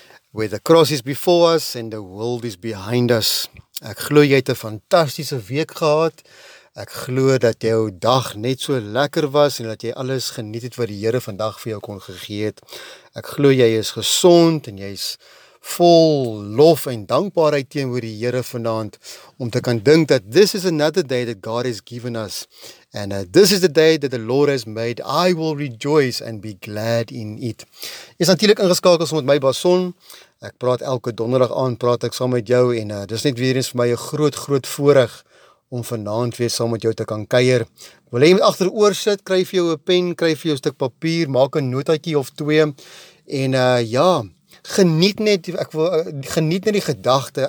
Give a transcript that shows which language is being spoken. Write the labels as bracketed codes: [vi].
[en] Where the cross is before us and the world is behind us. [af] Ek glo jy het 'n fantastiese week gehad. Ek glo dat jou dag net so lekker was en dat jy alles geniet het wat die Here vandag vir jou kon gegee het. Ek glo jy is gesond en jy is vol lof en dankbaarheid teenoor die Here vanaand om te kan dink dat [en] this is another day that God has given us. And this is the day that the Lord has made. I will rejoice and be glad in it. [af] Jy is natuurlik ingeskakel saam met my Bason. Ek praat elke donderdag aan, praat ek saam met jou en dis net weer eens vir my 'n groot voorreg om vanaand weer saam met jou te kan kuier. Wil jy agteroor sit, kry vir jou 'n pen, kry vir jou 'n stuk papier, maak 'n notaatjie of twee en geniet net die gedagte.